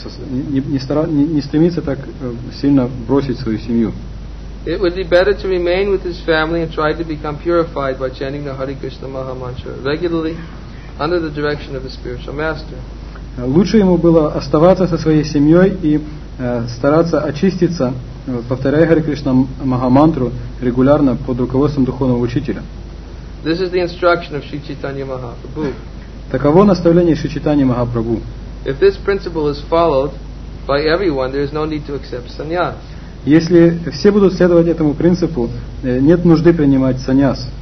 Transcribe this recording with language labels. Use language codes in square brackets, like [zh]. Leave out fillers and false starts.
[ru] Не стремиться так сильно бросить свою семью. [en] It would be better to remain with his family and try to become purified by chanting the Hare Krishna Maha Mantra regularly under the direction of his spiritual master. [ru] Лучше ему было оставаться со своей семьей и стараться очиститься, повторяя Hare Krishna Maha Mantra регулярно под руководством духовного учителя. [en] This is the instruction of Sri Chaitanya Mahaprabhu. [ru] Таково наставление Шри Чайтанья Махапрабху. [en] If this principle is followed by everyone, there is no need to accept sannyas. [ru] Если все будут следовать этому принципу, нет нужды принимать sannyas.